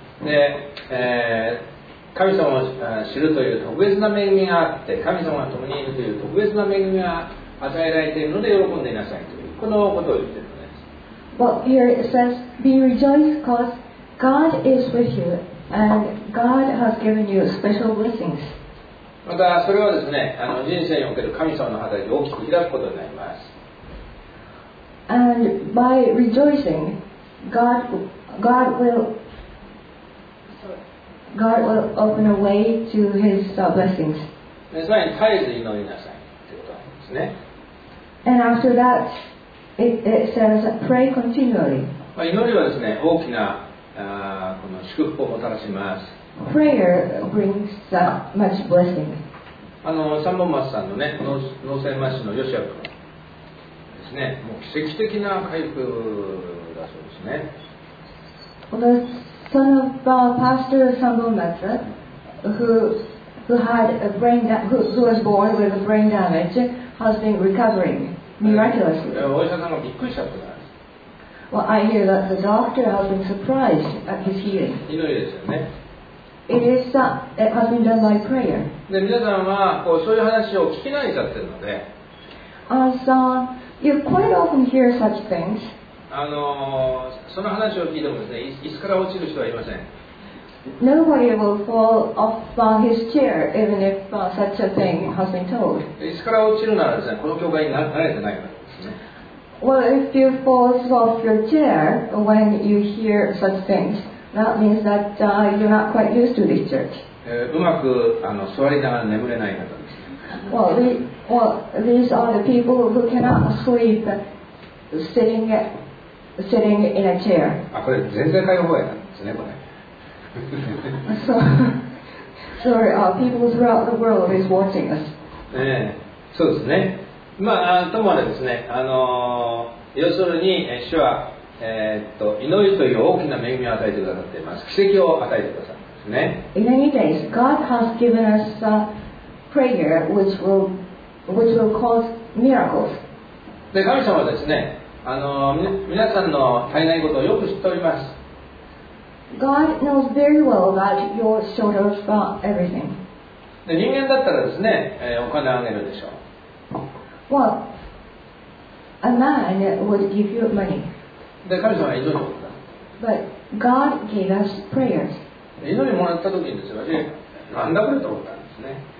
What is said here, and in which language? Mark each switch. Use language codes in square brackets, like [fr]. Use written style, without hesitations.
[ja] で、神様を知るという特別な恵みがあって、神様が共にいるという特別な恵みが与えられているので喜んでいなさいというこのことを言っているんです。 [en] But here it says, be rejoiced because God is with you. And God has given you special blessings. [ja] またそれはですね、人生における神様の働きを大きく開くことになります。 [en] And by rejoicing, God will open a way to His blessings. [ja] つまり絶えず祈りなさいということですね。 [en] And after that, it says pray continually. [ja] 祈りはですね、大きなこの祝福をもたらします。 [en] Prayer brings much blessing. [ja] 三本松さんのね、脳性麻痺の吉也君ですね、もう奇跡的な回復だそうですね。 [en] The son of Pastor 三本松 who was born with a brain damage has been recovering miraculously. [ja] お医者さんがびっくりしちゃったから。 [en] Well, I hear that the doctor has been surprised at his healing. [ja] 祈りですよね。 [en] It has been done by prayer. [ja] で、皆さんはこうそういう話を聞き慣れちゃってるので。 [en] You quite often hear such things. [ja] その話を聞いてもですね、椅子から落ちる人はいません。 [en] Nobody will fall off his chair even if such a thing has been told. [ja] 椅子から落ちるならですね、この教会に慣れてないからですね。 [en] Well, if you fall off your chair when you hear such things, that means that you're not quite used to this church. [ja] うまく座りながら眠れない方です。 [en] These are the people who cannot sleep sitting in a chair. [ja] あ、これ全然解放やなんですね、これ。 [en] So, people throughout the world is watching us. [ja] そうですね。まあ、ともあれですね、要するに主は、祈りという大きな恵みを与えてくださっています。奇跡を与えてくださるんですね。 [en] In any case, God has given us a prayer which will cause miracles. [ja] で、神様はですね、皆さんの足りないことをよく知っております。 [en] God knows very well that you're short of everything. [ja] で、人間だったらですね、お金をあげるでしょう。 [en] Well, a man would give you money. [ja] で、神様は祈りをもらった [en] 。 But God gave us prayers. [ja] 祈りもらったときにですね、なんだこれと思ったんですね。